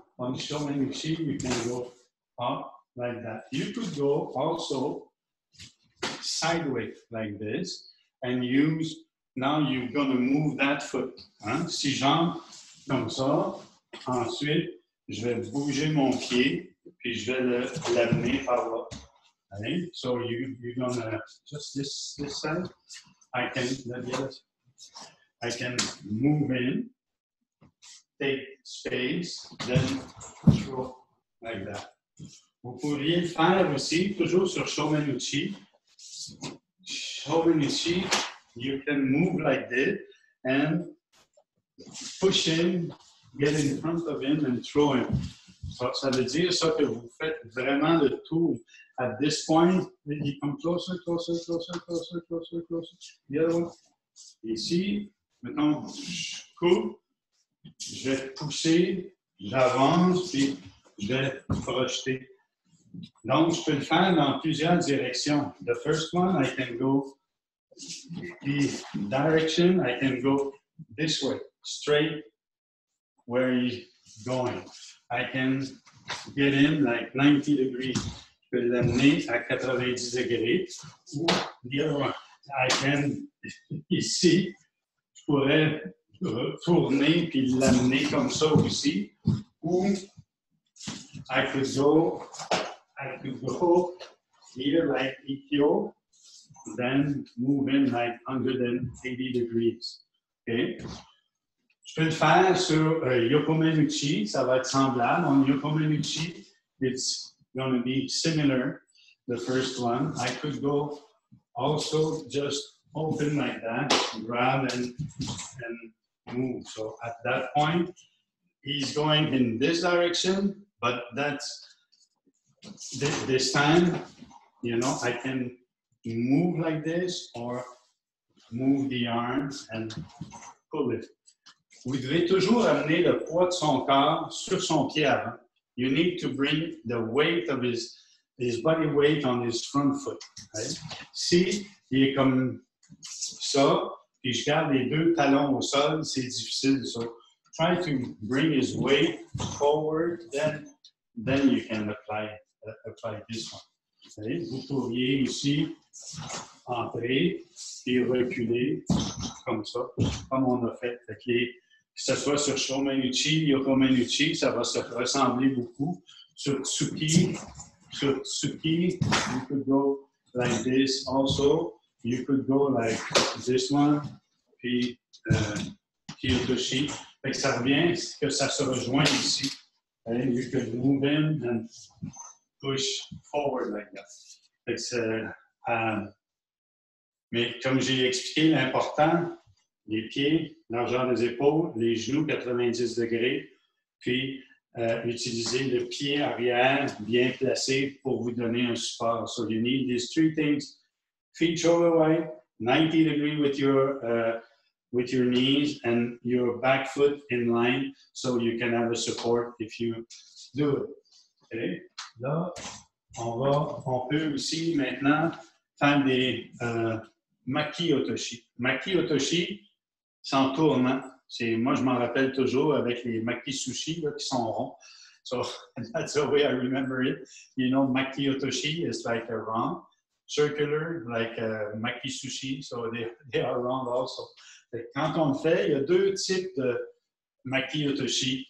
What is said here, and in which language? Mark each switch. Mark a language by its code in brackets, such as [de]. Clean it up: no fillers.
[en] On Shomenichi, you can go up like that. You could go also sideways like this and use, now you're going to move that foot. Hein? [fr] Si j'entre comme ça, ensuite, je vais bouger mon pied puis je vais l'amener par là. [en] Okay? So you're going to, just this side, I can, let me get it. I can move in, take space, then throw like that. [fr] Vous pourriez le faire aussi, toujours sur Shomenichi. [en] Shomenichi, you can move like this and push him, get in front of him and throw him. [fr] Ça veut dire ça que vous faites vraiment le tour. [en] At this point, you come closer. The other one. [fr] Ici, maintenant, je coupe, je vais pousser, j'avance, puis je vais projeter. Donc, je peux le faire dans plusieurs directions. [en] The first one, I can go the direction, I can go this way, straight where he's going. I can get him like 90 degrees. [fr] Je peux l'amener à 90 degrés. Ou [en] the other one, I can, [fr] ici, je pourrais retourner puis l'amener comme ça aussi. [en] Ou I could go here like Ikyo, then move in like 180 degrees. Okay. [fr] Je peux le faire sur Yokomenuchi, ça va être semblable. [en] On Yokomenuchi, it's going to be similar, the first one. I could go also just open like that, grab and move. So at that point, he's going in this direction, but that's this time, you know, I can move like this or move the arms and pull it. [fr] Vous devez toujours amener le poids de son corps sur son pied avant. [en] You need to bring the weight of his body weight on his front foot. Right? [fr] Si il est comme ça, puis je garde les deux talons au sol, c'est difficile. [en] So try to bring his weight forward, then you can apply this one. Right? [fr] Vous pourriez ici entrer et reculer comme ça, comme on a fait avec les. Que ce soit sur Shomenuchi, Yokomenuchi, ça va se ressembler beaucoup. [en] Sur Tsuki, you could go like this also. You could go like this one. Puis, Kiyotoshi. [fr] Fait que ça revient, que ça se rejoint ici. [en] And you could move in and push forward like that. [fr] Fait que c'est, mais comme j'ai expliqué, l'important, les pieds, largeur des épaules, les genoux 90 degrés, puis utiliser le pied arrière bien placé pour vous donner un support. [en] So you need these three things. Feet shoulder wide, 90 degrees with your knees and your back foot in line so you can have a support if you do it. Okay? [fr] Là, on peut aussi maintenant faire des Maki-Otoshi. Maki-Otoshi, sans tournant. C'est, moi, je m'en rappelle toujours avec les maki sushi là, qui sont ronds. [en] So, that's the way I remember it. You know, maki otoshi is like a round, circular, like a maki sushi. So, they are round also. [fr] Fait, quand on le fait, il y a deux types de maki otoshi.